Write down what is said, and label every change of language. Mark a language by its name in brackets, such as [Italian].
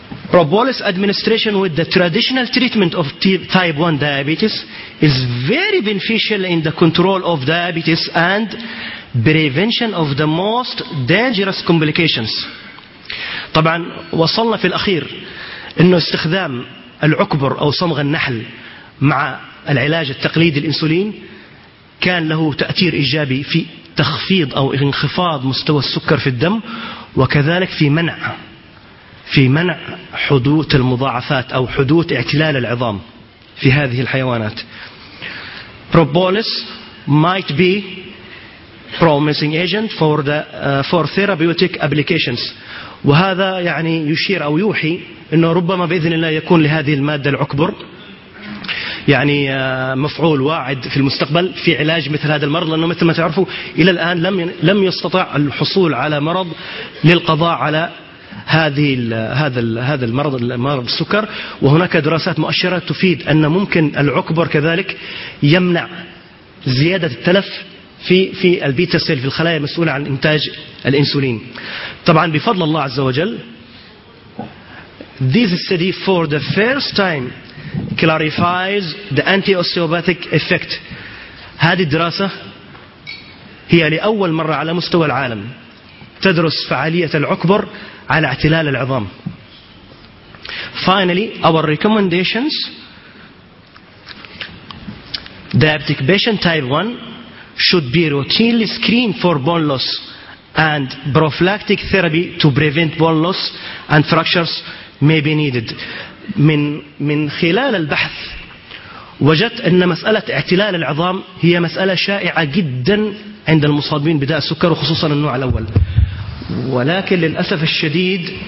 [English] Propolis administration with the traditional treatment of type 1 diabetes is very beneficial in the control of diabetes and prevention of the most dangerous complications. [Arabic] طبعا وصلنا في الأخير أنه استخدام العكبر أو صمغ النحل مع العلاج التقليدي الإنسولين كان له تأثير إيجابي في تخفيض أو انخفاض مستوى السكر في الدم وكذلك في منع حدوث المضاعفات أو حدوث اعتلال العظام في هذه الحيوانات. [English] Propolis might be promising agent for therapeutic applications. [Arabic] وهذا يعني يشير أو يوحي أنه ربما بإذن الله يكون لهذه المادة العكبر يعني مفعول واعد في المستقبل في علاج مثل هذا المرض، لأنه مثل ما تعرفوا إلى الآن لم يستطع الحصول على مرض للقضاء على هذا المرض مرض السكر. وهناك دراسات مؤشرة تفيد أن ممكن العكبر كذلك يمنع زيادة التلف في البيتا سيل في الخلايا مسؤولة عن إنتاج الإنسولين. طبعا بفضل الله عز وجل [English] this study for the first time clarifies the anti-osteopathic effect. [Arabic] هذه الدراسة هي لأول مرة على مستوى العالم تدرس فعالية العكبر على اعتلال العظام. [English] Finally, our recommendations: diabetic patient type 1 should be routinely screened for bone loss and prophylactic therapy to prevent bone loss and fractures may be needed. [Arabic] من خلال البحث وجدت أن مسألة اعتلال العظام هي مسألة شائعة جدا عند المصابين بداء السكر وخصوصا النوع الأول, ولكن للأسف الشديد